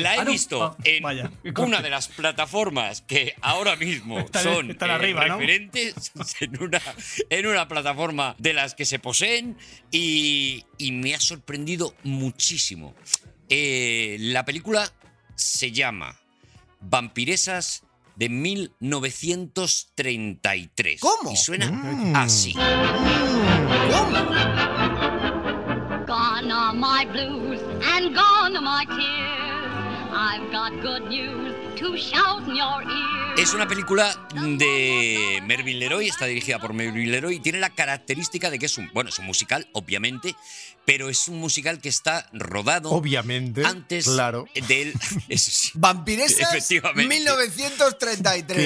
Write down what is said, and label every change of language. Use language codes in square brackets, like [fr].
[es] La he visto en una de las plataformas que ahora mismo son referentes en una plataforma de las que se poseen y me ha sorprendido muchísimo. La película se llama Vampiresas de 1933. ¿Cómo? Y suena así. ¿Cómo? [en] Gone are my blues and gone are my tears. I've got good news to shout in your ears. [es] Es una película de Melvin Leroy, está dirigida por Melvin Leroy y tiene la característica de que es un musical, obviamente, pero es un musical que está rodado obviamente antes, claro, del Vampiresas 1933.